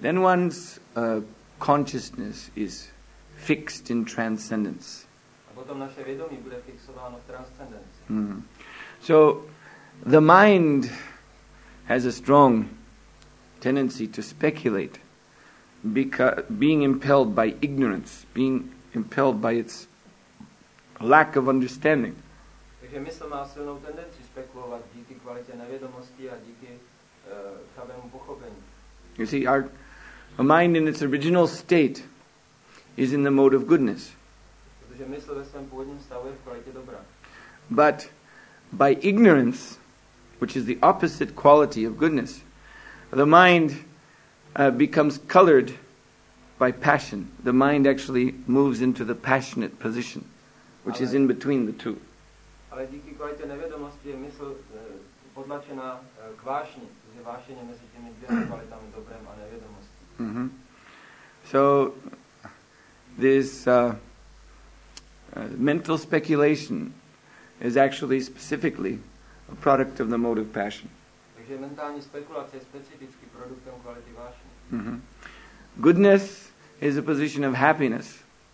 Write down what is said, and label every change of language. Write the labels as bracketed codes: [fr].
[en] Then one's consciousness is fixed in transcendence. [cs] A potom naše vědomí bude fixováno v transcendence. [en] So the mind has a strong tendency to speculate, because being impelled by ignorance, being impelled by its lack of understanding. [cs] Takže mysl má silnou tendenci spekulovat díky kvalitě nevědomosti a díky chabému pochopení. [en] You see, our mind in its original state is in the mode of goodness. [cs] Protože mysl ve svém původním stavu je v kvalitě dobrá. [en] But by ignorance, which is the opposite quality of goodness, the mind becomes colored by passion. The mind actually moves into the passionate position, which is in between the two. [cs] Ale díky kvalitě nevědomosti je mysl potlačená k vášni, protože vášeň je mezi těmi dvěma kvalitami, dobrem a nevědomosti. [en] So this mental speculation is actually specifically a product of the mode of passion. [cs] Takže mentální spekulace je specificky produktem kvality vášně. [en] Goodness is a position of happiness.